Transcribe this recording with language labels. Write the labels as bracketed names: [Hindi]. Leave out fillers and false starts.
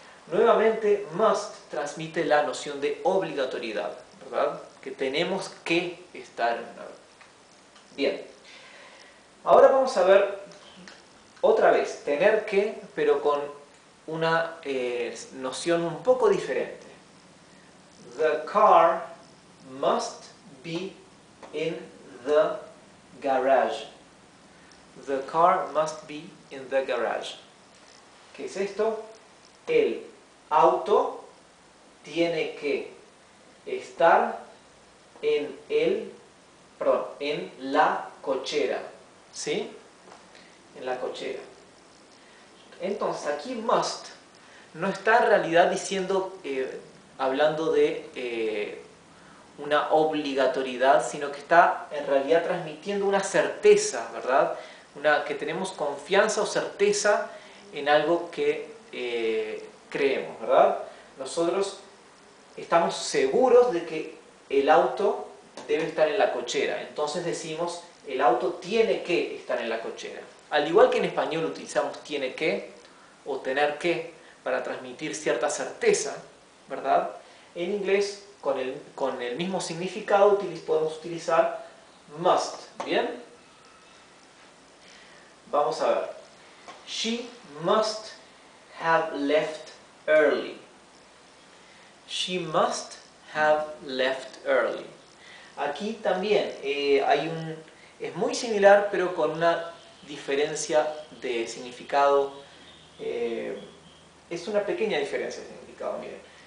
[Spanish] Nuevamente, must transmite la noción de obligatoriedad, ¿verdad? Que tenemos que estar en una reunión. Bien, ahora vamos a ver otra vez, tener que, pero con una noción un poco diferente. [English] The car must be in the garage. The car must be in the garage. [Spanish] ¿Qué es esto? El auto tiene que estar en el, perdón, en la cochera. ¿Sí? En la cochera. Entonces, aquí must no está en realidad diciendo, hablando de una obligatoriedad, sino que está en realidad transmitiendo una certeza, ¿verdad? Una, que tenemos confianza o certeza en algo que creemos, ¿verdad? Nosotros estamos seguros de que el auto debe estar en la cochera. Entonces decimos, el auto tiene que estar en la cochera. Al igual que en español utilizamos tiene que o tener que para transmitir cierta certeza, ¿verdad? En inglés, con el mismo significado, podemos utilizar must, ¿bien? Vamos a ver. [English] She must have left early. She must have left early. [Spanish] Aquí también es muy similar, pero con una diferencia de significado. Es una pequeña diferencia de significado, miren.